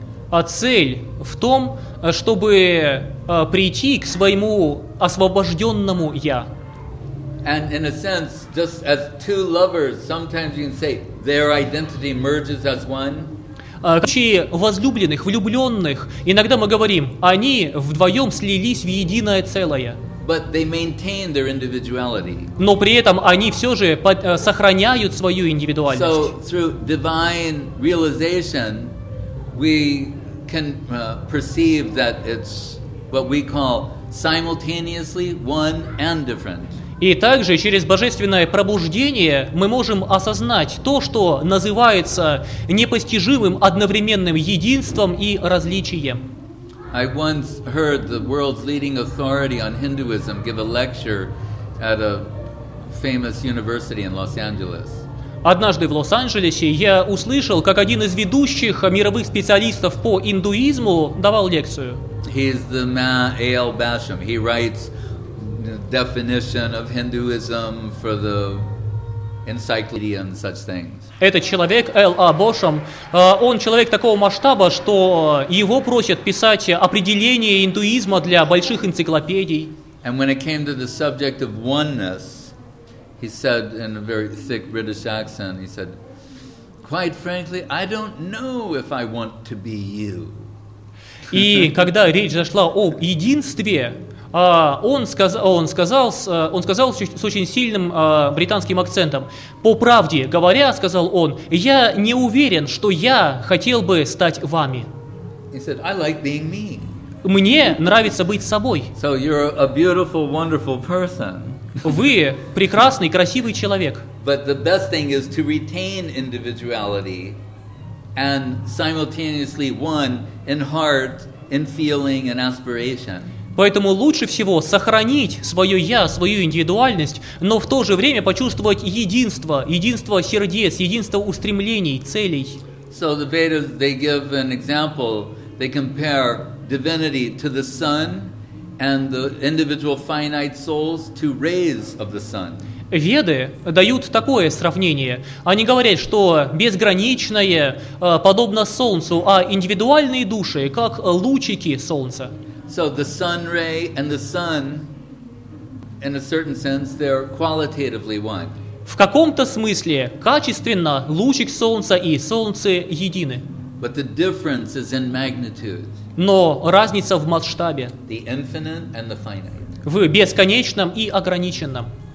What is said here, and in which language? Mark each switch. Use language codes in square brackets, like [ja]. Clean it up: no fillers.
[ru] А цель в том, чтобы прийти к своему освобожденному я. [en] And in a sense, just as two lovers, sometimes you can say their identity merges as one. [ru] В случае возлюбленных, влюбленных, иногда мы говорим, они вдвоем слились в единое целое. [en] But they maintain their individuality. [ru] Но при этом они все же сохраняют свою индивидуальность. [en] So through divine realization, we can perceive that it's what we call simultaneously one and different. [ru] И также через божественное пробуждение мы можем осознать то, что называется непостижимым одновременным единством и различием. [en] I once heard the world's leading authority on Hinduism give a lecture at a famous university in Los Angeles. [ru] Однажды в Лос-Анджелесе я услышал, как один из ведущих мировых специалистов по индуизму давал лекцию. [en] He's the man A.L. Basham. He writes the definition of Hinduism for the encyclopedia and such things. [ru] Этот человек, Л.А. Бошам, он человек такого масштаба, что его просят писать определение индуизма для больших энциклопедий. [en] And when it came to the subject of oneness, he said in a very thick British accent, he said, quite frankly, I don't know if I want to be you. [ru] И когда речь зашла об единстве, он сказал с очень сильным британским акцентом. По правде говоря, сказал он, я не уверен, что я хотел бы стать вами. [en] He said, I like being me. [ru] Мне нравится быть собой. [en] So you're a beautiful, wonderful person. [ru] Вы прекрасный, красивый человек. [en] But the best thing is to retain individuality and simultaneously one in heart, in feeling and aspiration. [ru] Поэтому лучше всего сохранить свое «я», свою индивидуальность, но в то же время почувствовать единство, единство сердец, единство устремлений, целей. [en] So the Vedas, they give an example, they compare divinity to the sun and the individual finite souls to rays of the sun. [ru] Веды дают такое сравнение. Они говорят, что безграничное подобно солнцу, а индивидуальные души как лучики солнца. [en] So the sun ray and the sun, in a certain sense, they're qualitatively one. [ru] В каком-то смысле, качественно, лучик солнца и солнце едины. [en] But the difference is in magnitude. [ru] Но разница в масштабе. [en] The infinite and the finite. [ru] В бесконечном и ограниченном.